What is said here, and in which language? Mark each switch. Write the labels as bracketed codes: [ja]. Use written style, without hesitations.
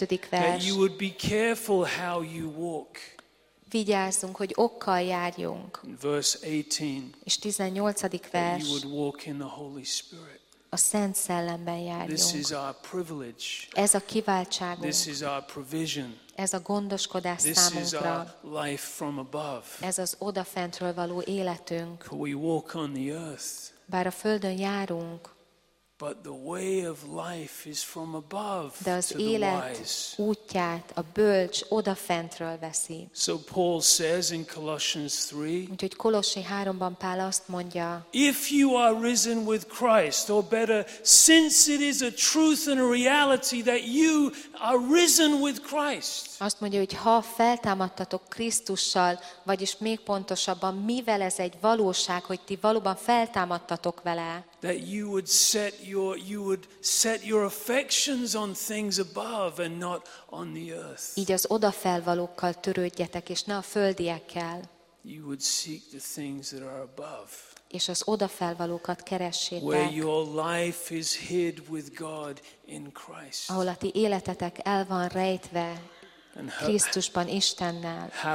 [en] That you would be careful how you walk. [hu] Vigyázzunk, hogy okkal járjunk. [en] Verse 18, [hu] és 18. vers. [en] You would walk in the Holy Spirit. [hu] A Szent Szellemben járjunk. [en] This is our privilege. [hu] Ez a kiváltságunk. [en] This is our provision. [hu] Ez a gondoskodás számunkra. [en] This is our life from above. [hu] Ez az odafentről való életünk. [en] We walk on the earth. [hu] Bár a földön járunk. [en] But the way of life is from above. [hu] De az élet útját a bölcs odafentről veszi. [en] So Paul says in Colossians 3. [hu] Úgyhogy Kolossi 3-ban Pál azt mondja. [en] If you are risen with Christ, or better, since it is a truth and a reality that you are risen with Christ. [hu] Azt mondja, hogy ha feltámadtatok Krisztussal, vagyis még pontosabban, mivel ez egy valóság, hogy ti valóban feltámadtatok vele. [en] That you would set your affections on things above and not on the earth. [hu] Így az odafelvalókkal törődjetek, és ne a földiekkel. [en] You would seek the things that are above. [hu] És az odafelvalókat keressétek. [en] Where your life is hid with God in Christ. [hu] Ahol a ti életetek el van rejtve Krisztusban Istennel.